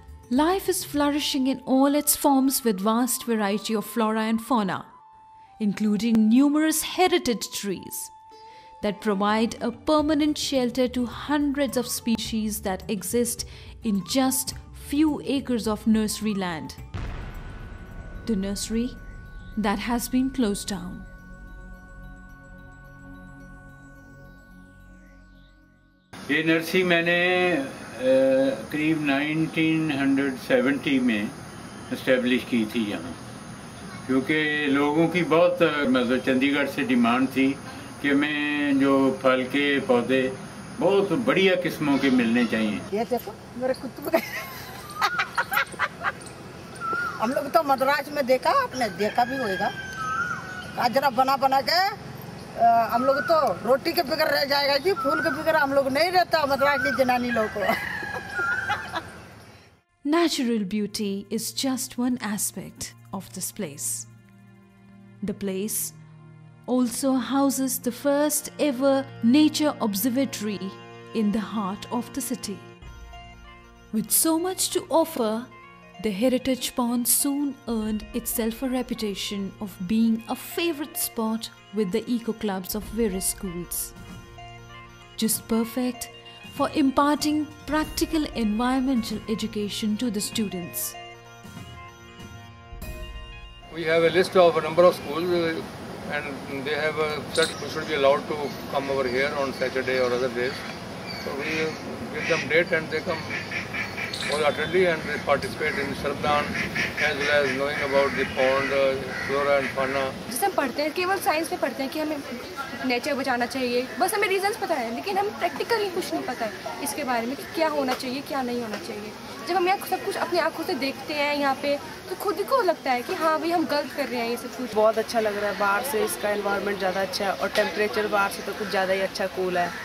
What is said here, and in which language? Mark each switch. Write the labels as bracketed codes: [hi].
[en] Life is flourishing in all its forms with vast variety of flora and fauna, including numerous heritage trees that provide a permanent shelter to hundreds of species that exist in just few acres of nursery land. The nursery that has been closed down. [hi] ये nursery मैंने करीब 1970 में establish की थी यहाँ, क्योंकि लोगों की बहुत मतलब चंडीगढ़ से डिमांड थी कि मैं जो फल के पौधे बहुत बढ़िया किस्मों के मिलने चाहिए। ये देखो मेरे कुत्ते का, हम लोग तो मद्रास में देखा, आपने देखा भी होगा, काजरा बना बना के हम लोग तो रोटी के बगैर रह जाएगा जी, फूल के बगैर हम लोग नहीं रहता मद्रास की जनानी लोग को। [en] Natural beauty is just one aspect of this place. The place also houses the first ever nature observatory in the heart of the city. With so much to offer, the heritage pond soon earned itself a reputation of being a favorite spot with the eco clubs of various schools. Just perfect for imparting practical environmental education to the students. We have a list of a number of schools and they have a set who should be allowed to come over here on Saturday or other days. So we give them date and they come wholeheartedly and they participate in Sardan as well as knowing about the pond, flora and fauna. [hi] जैसे हम पढ़ते हैं केवल science में पढ़ते हैं कि हमें नेचर बचाना चाहिए, बस हमें रीजंस पता है, लेकिन हम प्रैक्टिकली कुछ नहीं पता है इसके बारे में कि क्या होना चाहिए क्या नहीं होना चाहिए। जब हम यहाँ सब कुछ अपनी आँखों से देखते हैं यहाँ पे, तो खुद को लगता है कि हाँ भाई हम गलत कर रहे हैं। ये सब कुछ बहुत अच्छा लग रहा है, बाहर से इसका एनवायरनमेंट ज़्यादा अच्छा है और टेम्परेचर बाहर से तो कुछ ज़्यादा ही अच्छा कूल है।